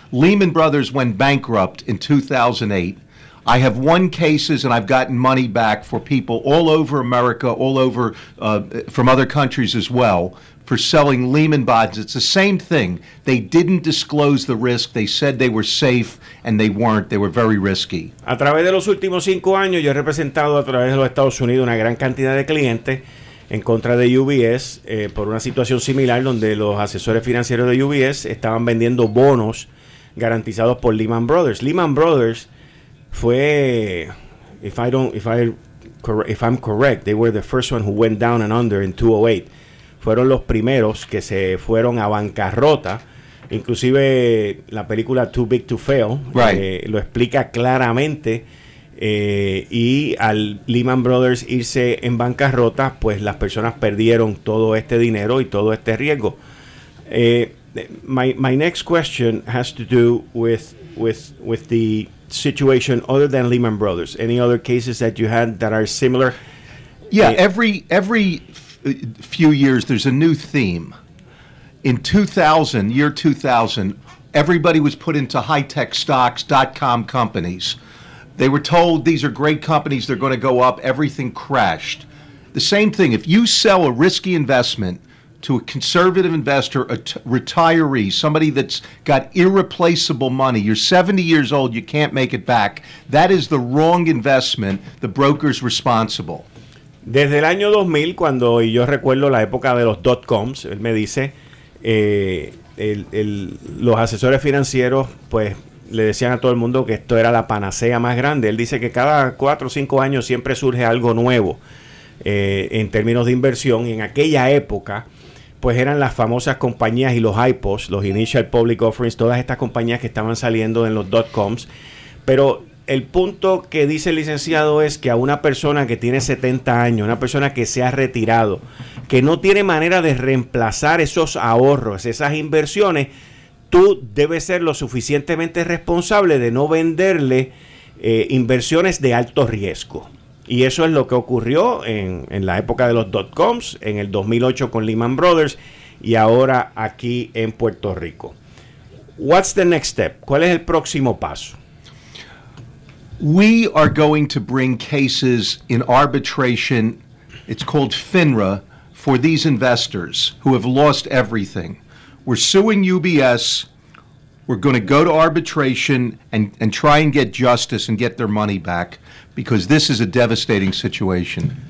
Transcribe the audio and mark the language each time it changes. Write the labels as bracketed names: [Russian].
[English] Lehman Brothers went bankrupt in 2008. I have won cases and I've gotten money back for people all over America, all over from other countries as well, for selling Lehman bonds. It's the same thing. They didn't disclose the risk. They said they were safe and they weren't. They were very risky. [Spanish] A través de los últimos 5 años, yo he representado a través de los Estados Unidos una gran cantidad de clientes en contra de UBS por una situación similar donde los asesores financieros de UBS estaban vendiendo bonos garantizados por Lehman Brothers. [English] Lehman Brothers [Spanish] fue, [English] if I'm correct, they were the first one who went down and under in 2008. [Spanish] Fueron los primeros que se fueron a bancarrota. Inclusive la película Too Big to Fail, [English] right, [Spanish] lo explica claramente. Y al Lehman Brothers irse en bancarrota, pues las personas perdieron todo este dinero y todo este riesgo. [English] My next question has to do with the situation other than Lehman Brothers. Any other cases that you had that are similar? Yeah, every few years there's a new theme. In 2000, year 2000, everybody was put into high-tech stocks, dot-com companies. They were told these are great companies, they're going to go up. Everything crashed. The same thing, if you sell a risky investment to a conservative investor, a retiree, somebody that's got irreplaceable money, you're 70 years old, you can't make it back, that is the wrong investment, the broker's responsible. [Spanish] Desde el año 2000, cuando yo recuerdo la época de los dot-coms, él me dice, los asesores financieros, pues, le decían a todo el mundo que esto era la panacea más grande. Él dice que cada 4 o 5 años siempre surge algo nuevo en términos de inversión. Y en aquella época, pues eran las famosas compañías y los IPOs, los Initial Public Offerings, todas estas compañías que estaban saliendo en los dot-coms. Pero el punto que dice el licenciado es que a una persona que tiene 70 años, una persona que se ha retirado, que no tiene manera de reemplazar esos ahorros, esas inversiones, tú debes ser lo suficientemente responsable de no venderle inversiones de alto riesgo. Y eso es lo que ocurrió en la época de los dot-coms, en el 2008 con Lehman Brothers y ahora aquí en Puerto Rico. [English] What's the next step? [Spanish] ¿Cuál es el próximo paso? [English] We are going to bring cases in arbitration, it's called FINRA, for these investors who have lost everything. We're suing UBS, we're going to go to arbitration and try and get justice and get their money back, because this is a devastating situation.